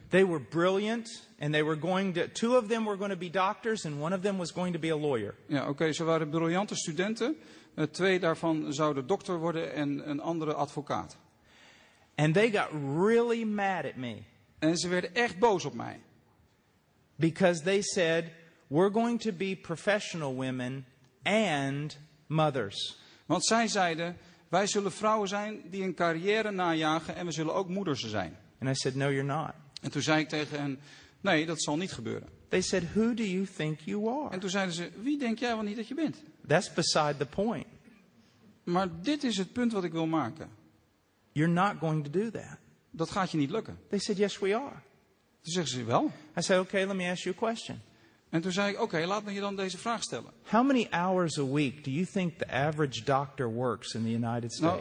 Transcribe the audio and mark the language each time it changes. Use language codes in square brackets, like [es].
[en] They were brilliant and they were going to 2 of them were going to be doctors and one of them was going to be a lawyer. [nl] Ja, oké, ze waren briljante studenten. 2 daarvan zouden dokter worden en een andere advocaat. [en] And they got really mad at me. [nl] En ze werden echt boos op mij. [en] Because they said we're going to be professional women and mothers. [nl] Want zij zeiden, wij zullen vrouwen zijn die een carrière najagen en we zullen ook moeders zijn. [en] And I said, no, you're not. [nl] En toen zei ik tegen hen, nee, dat zal niet gebeuren. [en] They said, who do you think you are? [nl] En toen zeiden ze, wie denk jij wel niet dat je bent? [en] That's beside the point. [nl] Maar dit is het punt wat ik wil maken. [en] You're not going to do that. [nl] Dat gaat je niet lukken. [en] They said, yes, we are. [nl] Toen zeggen ze, wel. [en] I said, okay, let me ask you a question. [nl] En toen zei ik, oké, laat me je dan deze vraag stellen. [en] How many hours a week do you think the average doctor works in the United States?